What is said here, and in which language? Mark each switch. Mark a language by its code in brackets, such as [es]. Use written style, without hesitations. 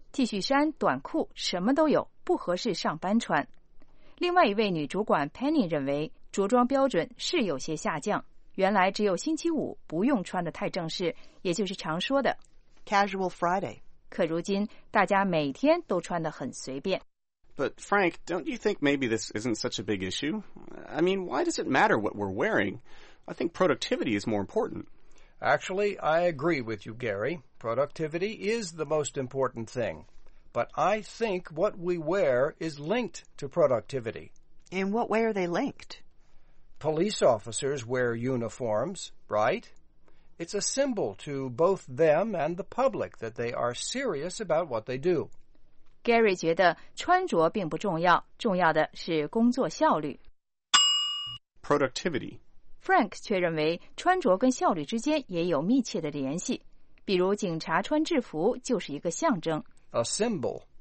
[zh] T 恤衫、短裤，什么都有，不合适上班穿。另外一位女主管 Penny 认为，着装标准是有些下降。原来只有星期五不用穿得太正式，也就是常说的 [en] Casual Friday. [zh] 可如今，大家每天都穿得很随便。 [en] But Frank, don't you think maybe this isn't such a big issue? I mean, why does it matter what we're wearing? I think productivity is more important. Actually, I agree with you, Gary. Productivity is the most important thing. But I think what we wear is linked to productivity. In what way are they linked? Police officers wear uniforms, right? It's a symbol to both them and the public that they are serious about what they do. [zh] Gary 觉得穿着并不重要，重要的是工作效率。 [en] Productivity. [zh] Frank 却认为穿着跟效率之间也有密切的联系，比如警察穿制服就是一个象征。 [en] A symbol.